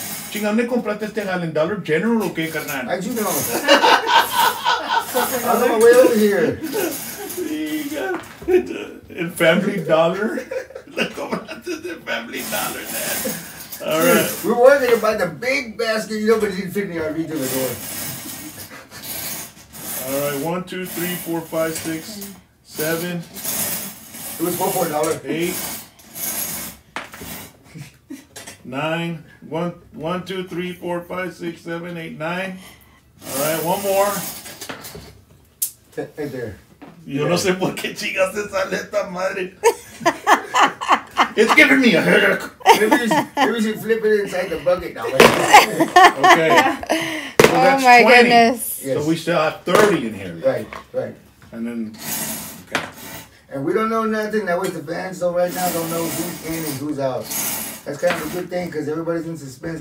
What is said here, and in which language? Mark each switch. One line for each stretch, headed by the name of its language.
Spanish: Chinga, ¿dónde compraste este Allen Dollar General o qué, carnal?
English: I do know. I'm on my way over here. And Family Dollar. The Family Dollar, man. All right. We're worried about the big basket. You know, but it didn't fit in the RV to the door. All right. 1, 2, 3, 4, 5, 6, 7. It was one more dollar. 8, 9. 1, 2, 3, 4, 5, 6, 7, 8, 9. All right. One more. Right there.
Spanish: Yo no sé por qué chingas esa letra madre.
English: It's giving me a headache. Maybe you should flip it inside the bucket now. Okay. So oh, that's my 20. Goodness. Yes. So we still have 30 in here. Right, right. And then, okay. And we don't know nothing. That way the fans, though, right now don't know who's in and who's out. That's kind of a good thing because everybody's in suspense.